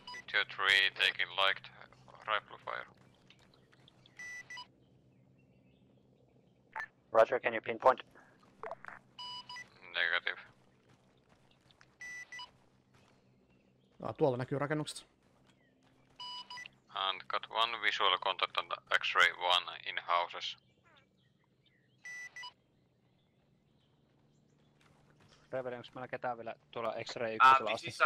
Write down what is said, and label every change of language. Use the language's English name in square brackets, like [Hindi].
[English] Tier 3 taking light rifle fire. Roger, can you pinpoint? Negative. [Finnish] Tuolla näkyy rakennukset. [English] And got one visual contact on the X-ray 1 in houses. [Finnish] Reveli, onks meillä ketään vielä tuolla X-ray 1 asti?